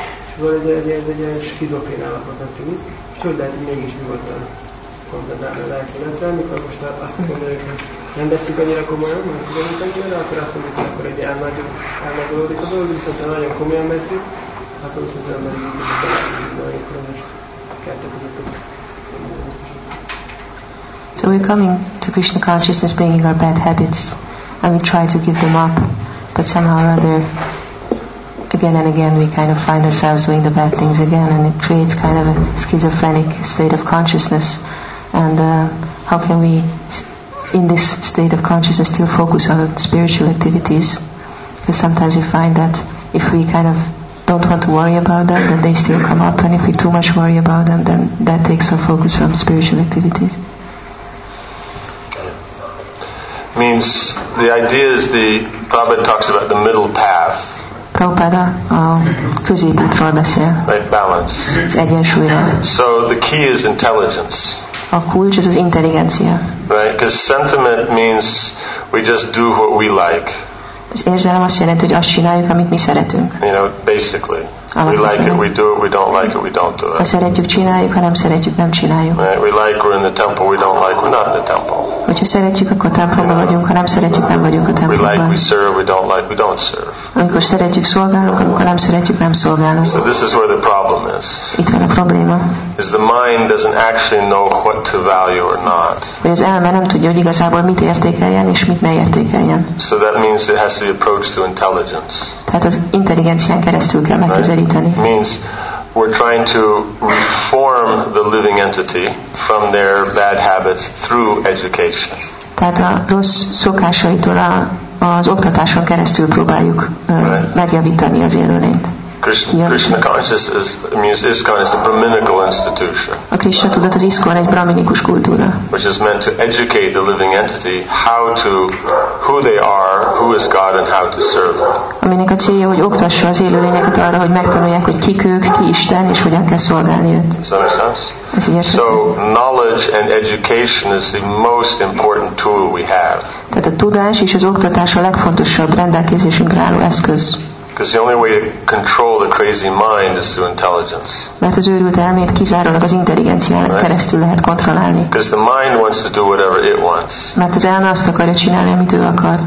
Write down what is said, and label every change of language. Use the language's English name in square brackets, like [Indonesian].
[Hungarian] És van egy skizofrén állapotnak tűnik, és tudod lehet, hogy mégis mi volt a kontentálni a lelkületre, mikor most azt mondjuk, hogy nem veszük annyira komolyan, mert tudunk annyira, de akkor azt mondjuk, hogy akkor egy elmagyarodik a dolog, viszont ha nagyon komolyan veszük, akkor viszont nem megint a dolgok, akkor most kettő között. [English] So we're coming to Krishna consciousness bringing our bad habits and we try to give them up, but somehow or other again and again we kind of find ourselves doing the bad things again, and it creates kind of a schizophrenic state of consciousness. And how can we in this state of consciousness still focus on spiritual activities? Because sometimes we find that if we kind of don't want to worry about them, then they still come up, and if we too much worry about them, then that takes our focus from spiritual activities. Means the idea is the Prabhupada talks about the middle path. [Hungarian] Prabhupada a középútról beszél. [English] Right, balance. [Hungarian] Az egyensúlyra. [English] So the key is intelligence. [Hungarian] A kulcs az intelligencia. [English] Right, because sentiment means we just do what we like. [Hungarian] Az érzelem azt jelenti, hogy azt csináljuk, amit mi szeretünk. [English] You know, basically. We like it, we do it. We don't like it, we don't do it. [Hungarian] Ha szeretjük, csináljuk, ha nem szeretjük, nem csináljuk. [English] Right. We like, we're in the temple. We don't like, we're not in the temple. [Hungarian] Hogyha szeretjük, akkor templomba vagyunk. Ha nem szeretjük, nem vagyunk a templomban. [English] We like, we serve. We don't like, we don't serve. [Hungarian] Amikor szeretjük, szolgálunk, amikor nem szeretjük, nem szolgálunk. [English] So this is where the problem is. [Hungarian] Itt van a probléma. [English] Is the mind doesn't actually know what to value or not. [Hungarian] Az elme nem tudja, hogy igazából mit értékeljen és mit ne értékeljen. [English] So that means it has to be approached through intelligence. [Hungarian] Tehát az intelligencián keresztül kell megközelíteni. [English] It means we're trying to reform the living entity from their bad habits through education. [Hungarian] Tehát a rossz szokásaitól az oktatáson keresztül próbáljuk megjavítani az élőlényt. [English] Krishna consciousness means ISKCON is a brahminical institution. [Hungarian] A Krishna tudat az ISKCON egy brahminikus kultúra. [English] Which is meant to educate the living entity how to, who they are, who is God, and how to serve them. [Hungarian] Aminek a célja, hogy oktassa az élőlényeket arra, hogy megtanulják, hogy kik ők, ki Isten, és hogyan kell szolgálni őt. [English] So knowledge and education is the most important tool we have. [Hungarian] Tehát a tudás és az oktatás a legfontosabb rendelkezésünkre álló eszköz. [English] Because the only way to control the crazy mind is through intelligence. [Hungarian] Mert az őrült elmét kizárólag az intelligencián keresztül lehet kontrollálni. [English] Because the mind wants to do whatever it wants. [Hungarian] Mert az elme azt akarja csinálni, amit ő akar.